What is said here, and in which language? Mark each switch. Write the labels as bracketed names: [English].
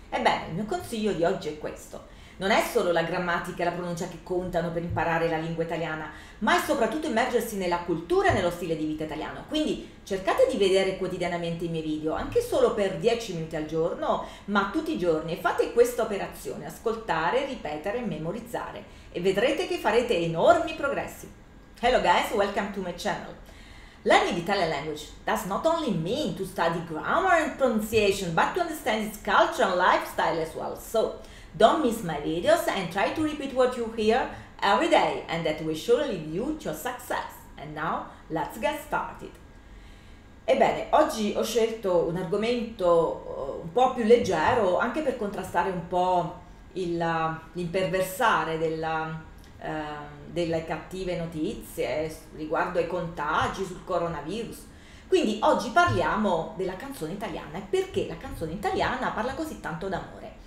[Italian] Ebbene, il mio consiglio di oggi è questo. Non è solo la grammatica e la pronuncia che contano per imparare la lingua italiana, ma è soprattutto immergersi nella cultura e nello stile di vita italiano. Quindi cercate di vedere quotidianamente i miei video, anche solo per 10 minuti al giorno, ma tutti i giorni, e fate questa operazione: ascoltare, ripetere, memorizzare, e vedrete che farete enormi progressi. [English] Hello guys, welcome to my channel. Learning Italian language does not only mean to study grammar and pronunciation, but to understand its culture and lifestyle as well. So, don't miss my videos and try to repeat what you hear every day, and that will surely lead you to success. And now, let's get started. [Italian] Ebbene, oggi ho scelto un argomento un po' più leggero, anche per contrastare un po' l'imperversare delle cattive notizie riguardo ai contagi sul coronavirus. Quindi oggi parliamo della canzone italiana e perché la canzone italiana parla così tanto d'amore.